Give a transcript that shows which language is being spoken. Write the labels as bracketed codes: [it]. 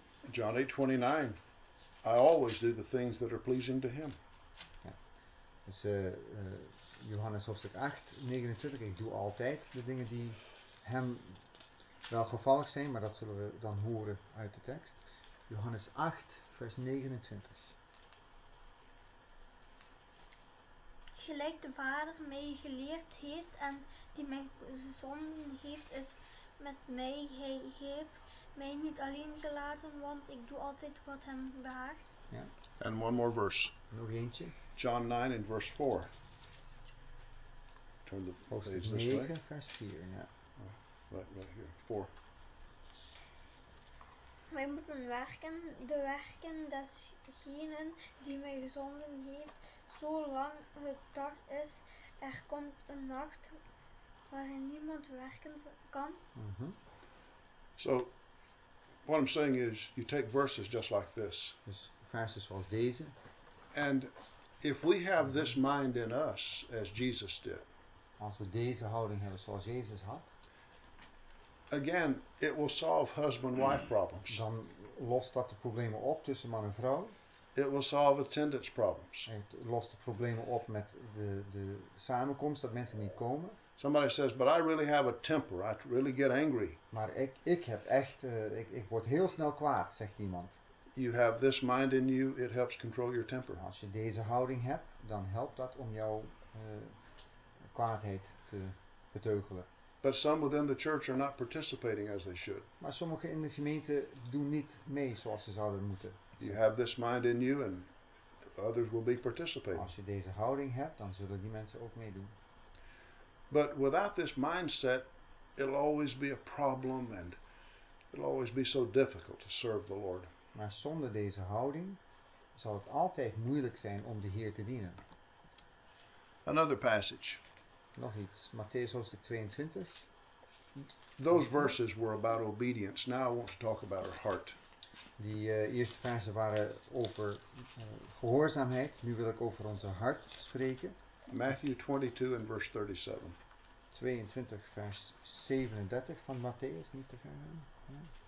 [en] John 8:29, I always do the things that are pleasing to him. [nl] Ja, dus Johannes hoofdstuk 8:29, ik doe altijd de dingen die hem wel gevallig zijn, maar dat zullen we dan horen uit de tekst. Johannes 8, vers 29. Gelijk de Vader mij geleerd heeft en die mij gezonden heeft, is met mij. Hij heeft mij niet alleen gelaten, want ik doe altijd wat hem behaagt. Ja. [en] And one more verse. [nl] Nog eentje. [en] John 9 in verse 4. Turn the page this way. [nl] 9, vers 4, ja. [en] Right here. [nl] 4. Wij moeten werken, de werken desgenen die mij gezonden heeft, zolang het dag is, er komt een nacht waarin niemand werken kan. Mm-hmm. [en] So, what I'm saying is, you take verses just like this. [nl] Dus verses zoals deze. [en] And if we have mm-hmm. this mind in us, as Jesus did. [nl] Als we deze houding hebben zoals Jezus had. [en] Again, it will solve husband-wife problems. [nl] Dan lost dat de problemen op tussen man en vrouw. [en] It will solve attendance problems. [nl] Het lost de problemen op met de samenkomst dat mensen niet komen. [en] Somebody says, but I really have a temper. I really get angry. [nl] Maar ik heb echt, ik word heel snel kwaad, zegt iemand. [en] You have this mind in you, it helps control your temper. [nl] Als je deze houding hebt, dan helpt dat om jouw kwaadheid te beteugelen. [en] But some within the church are not participating as they should. [nl] Maar sommigen in de gemeente doen niet mee zoals ze zouden moeten. [en] You have this mind in you and others will be participating. [nl] Als je deze houding hebt, dan zullen die mensen ook meedoen. [en] But without this mindset, it'll always be a problem and it'll always be so difficult to serve the Lord. [nl] Maar zonder deze houding zal het altijd moeilijk zijn om de Heer te dienen. [en] Another passage. [nl] Nog iets, Matthäus hoofdstuk 22. [en] Those verses were about obedience. Now I want to talk about our heart. [nl] Die eerste versen waren over gehoorzaamheid. Nu wil ik over onze hart spreken. [en] Matthew 22 and verse 37. [nl] 22 vers 37 van Matthäus, niet te ver. Ja.